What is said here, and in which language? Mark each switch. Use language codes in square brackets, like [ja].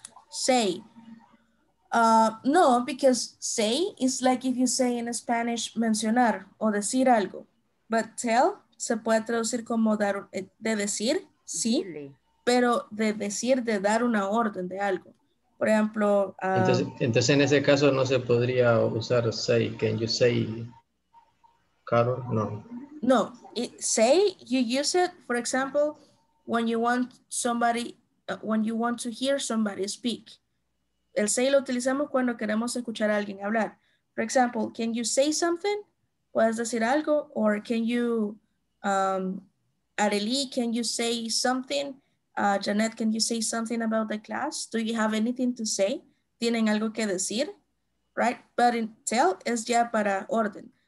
[en] Say. No, because say is like if you say in Spanish [es] mencionar o decir algo. But tell se puede traducir como dar, de decir, sí, pero de decir, de dar una orden de algo. Por ejemplo, entonces en ese caso no se podría usar say. [en] Can you say, Carol? No. No, say, you use it, for example, when you want somebody, when you want to hear somebody speak. [es] El say lo utilizamos cuando queremos escuchar a alguien hablar. [en] For example, can you say something? [es] ¿Puedes decir algo? [en] Or can you, Arely, can you say something? Janet, can you say something about the class? Do you have anything to say? [es] ¿Tienen algo que decir? [en] Right? But in [es] tell es ya para orden.